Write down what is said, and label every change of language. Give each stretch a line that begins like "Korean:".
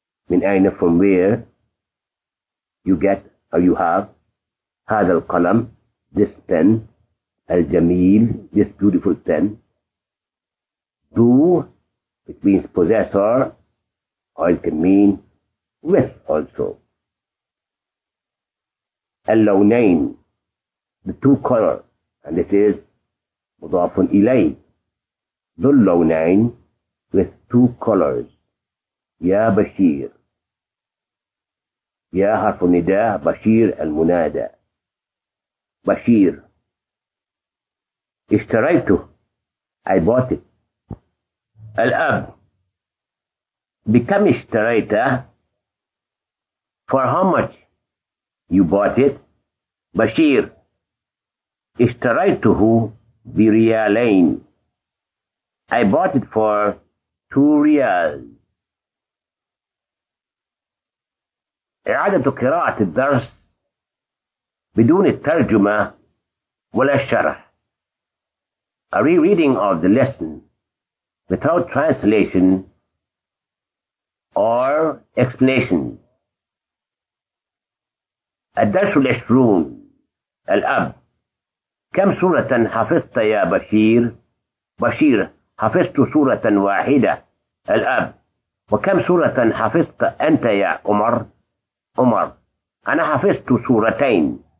Arabic: من أين
English: from where you get or you have
Arabic: هذا القلم
English: this pen الجميل this beautiful pen Do, it means possessor, or it can mean with also. اللونين, the two colors, and this is مضاف إلي.
Arabic: ذو اللونين,
English: with two colors.
Arabic: يا بشير. يا حرف نداء بشير المنادى.
English: بشير. اشتريته. I bought it.
Arabic: الأب بكم اشتريته
English: for how much you bought it
Arabic: بشير اشتريته بريالين
English: I bought it for two reals
Arabic: إعادة قراءة الدرس بدون الترجمة ولا الشرح
English: a rereading of the lesson without translation or explanation.
Arabic: الدرس العشرون الأب كم سورة حفظت يا بشير؟ بشير حفظت سورة واحدة الأب وكم سورة حفظت أنت يا عمر؟ عمر: أنا حفظت سورتين.